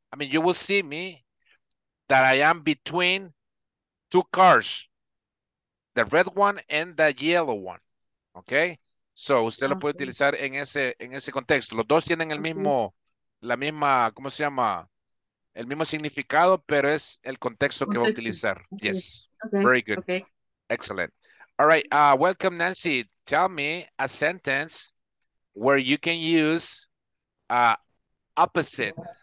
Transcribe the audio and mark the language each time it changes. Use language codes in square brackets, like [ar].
[en] I mean, you will see me that I am between two cars, the red one and the yellow one. [es] Okay, so usted lo puede utilizar en ese contexto. Los dos tienen el mismo, la misma, ¿cómo se llama? El mismo significado, pero es el contexto que va a utilizar. [en] Okay. Yes, okay. Very good. Okay. Excellent. All right, welcome, Nancy. Tell me a sentence where you can use opposite.